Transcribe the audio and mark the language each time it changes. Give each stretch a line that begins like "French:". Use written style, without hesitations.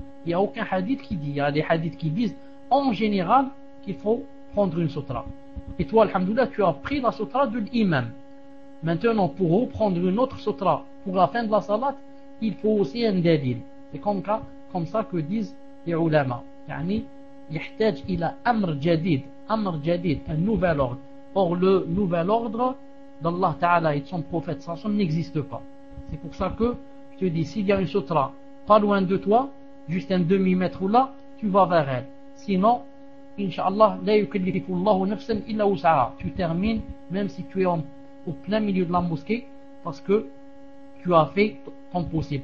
French: Il n'y a aucun hadith qui dit, il y a des hadiths qui disent en général qu'il faut prendre une sutra. Et toi, alhamdoulilah, tu as pris la sutra de l'imam. Maintenant, pour reprendre une autre sutra pour la fin de la salat, il faut aussi un dalil. C'est comme ça que disent les ulama.
Arabic: يعني يحتاج إلى أمر جديد, أمر جديد,
French: un nouvel ordre. Or, le nouvel ordre d'Allah Ta'ala et de son prophète Sassam n'existe pas. C'est pour ça que je te dis, s'il y a une sutra pas loin de toi, juste un demi-mètre ou là, tu vas vers elle.
Arabic: Sinon, Inch'Allah, la yukallifullahu nafsan illa wus'aha.
French: Tu termines, même si tu es au plein milieu de la mosquée, parce que tu as fait ton possible.